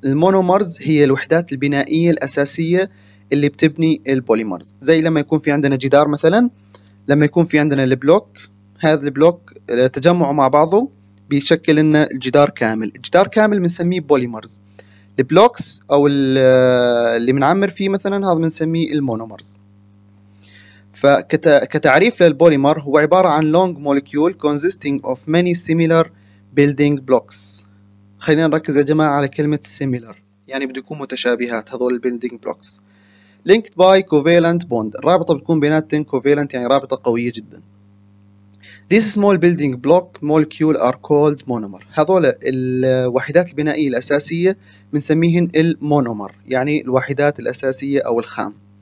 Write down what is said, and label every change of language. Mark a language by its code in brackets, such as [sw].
[ar] المونومرز هي الوحدات البنائية الأساسية اللي بتبني البوليمرز، زي لما يكون في عندنا جدار مثلا، لما يكون في عندنا البلوك، هذا البلوك تجمعه مع بعضه بيشكل لنا الجدار كامل. الجدار كامل بنسميه بوليمرز. البلوكس أو اللي بنعمر فيه مثلا، هذا بنسميه المونومرز. فكتعريف للبوليمر، هو عبارة عن [en] long molecule consisting of many similar building blocks. [ar] خلينا نركز يا جماعة على كلمة similar، يعني بده يكون متشابهات، هذول [en] building blocks. linked by covalent bond، [ar] الرابطة بتكون بيناتهم covalent، يعني رابطة قوية جدا. [en] these small building block molecule are called monomer، [ar] هذول الوحدات البنائية الأساسية بنسميهن المونومر، يعني الوحدات الأساسية أو الخام.